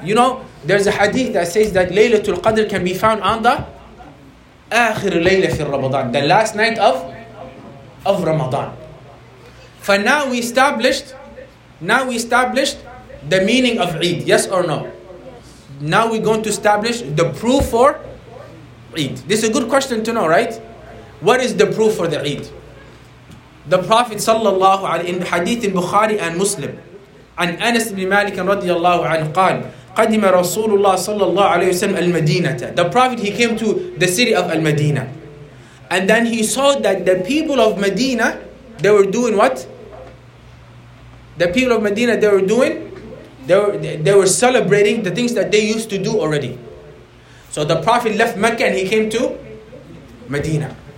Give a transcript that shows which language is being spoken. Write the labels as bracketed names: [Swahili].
[English] You know, there's a hadith that says that Laylatul Qadr can be found on the Akhir Layla fi Ramadan, the last night of Ramadan. For now we established the meaning of Eid, yes or no? Now we're going to establish the proof for Eid. This is a good question to know, right? What is the proof for the Eid? The Prophet sallallahu alayhi wa sallam, in hadith in Bukhari and Muslim, [Arabic] عن أنس بن مالك رضي الله عنه قال قدم رسول الله صلى الله عليه وسلم المدينة. [English] The Prophet, he came to the city of Al-Madina. And then he saw that the people of Medina, they were doing what? The people of Medina, they were doing, they were celebrating the things that they used to do already. So the Prophet left Mecca and he came to Medina.